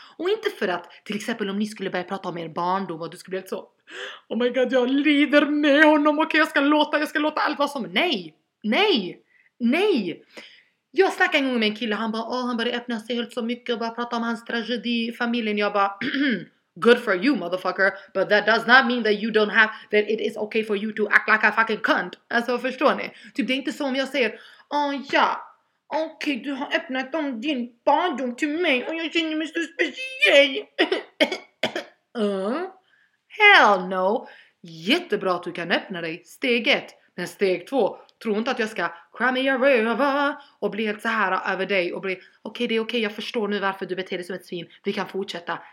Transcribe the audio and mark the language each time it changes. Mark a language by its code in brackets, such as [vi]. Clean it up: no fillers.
[sv] Och inte för att, till exempel om ni skulle börja prata om er barndom och du skulle bli så, [en] oh my god, [sv] jag lider med honom, okej, okay, jag ska låta allt vara som, nej. Jag snackade en gång med en kille, han bara, han började öppna sig helt så mycket och bara prata om hans tragedi i familjen. Jag bara, [en] good for you motherfucker, but that does not mean that you don't have, that it is okay for you to act like a fucking cunt. [sv] Alltså förstår ni? Typ det är inte så om jag säger, okej, du har öppnat om din barndom till mig och jag känner mig så speciell. [en] Hell no. [sv] Jättebra att du kan öppna dig, steg ett. Men steg två, tro inte att jag ska cry me och bli helt så här över dig och bli, okej, det är okej, jag förstår nu varför du beter dig som ett svin, vi kan fortsätta.